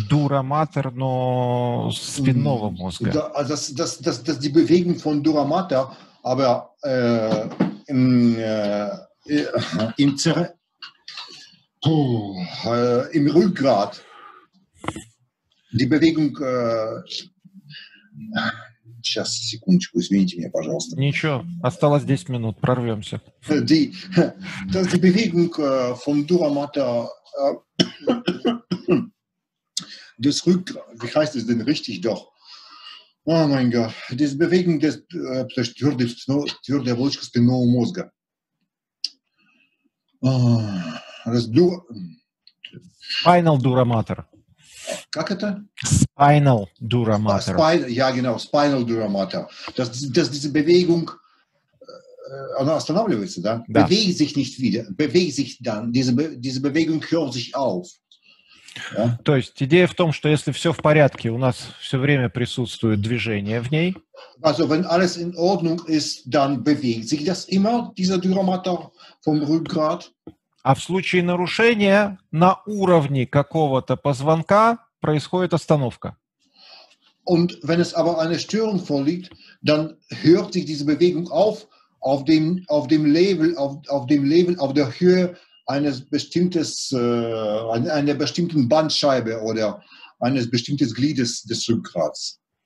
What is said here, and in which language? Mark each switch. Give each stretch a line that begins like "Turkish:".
Russian: Дураматор, но спинного мозга.
German: Das die Bewegung von Duramater, aber im Rückgrat. Die Bewegung.
Russian: Сейчас, секундочку, извините меня, пожалуйста. Ничего, осталось 10 минут, прорвемся.
German: Die Bewegung vom Duramater des Rückgrats, wie heißt es denn richtig doch? Oh mein Gott, die Bewegung des
Russian: твердой оболочки спинного мозга.
English: Spinal Duramater.
Russian: Как это?
English: Spinal Duramater.
German: Ja, genau, Spinal Duramater. Dass diese Bewegung,
Russian: она останавливается, да? Да.
German: Bewegt sich nicht wieder, bewegt sich dann, diese Bewegung hört sich auf. Ja?
Russian: То есть идея в том, что если все в порядке, у нас все время присутствует движение в ней.
German: Also, wenn alles in Ordnung ist, dann bewegt sich das immer, dieser Duramater vom Rückgrat.
Russian: А в случае нарушения на уровне какого-то позвонка происходит остановка.
German: Und wenn es aber eine Störung vorliegt, dann hört sich diese Bewegung auf dem Level, auf der Höhe einer bestimmten Bandscheibe oder eines bestimmten Gliedes des Rückgrats.